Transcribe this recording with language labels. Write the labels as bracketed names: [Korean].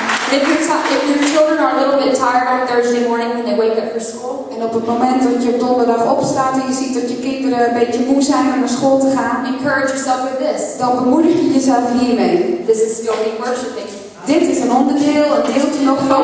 [English] If your children are a little bit tired on Thursday morning when they wake up for school. [Dutch] En op het moment dat je op donderdag opstaat en je ziet dat je kinderen een beetje moe zijn om naar school te gaan. [English] Encourage yourself with this. [Dutch] Dan bemoedig je jezelf hiermee. [English] This is still being worshiping. [Dutch] Dit is een onderdeel, een deeltje nog van.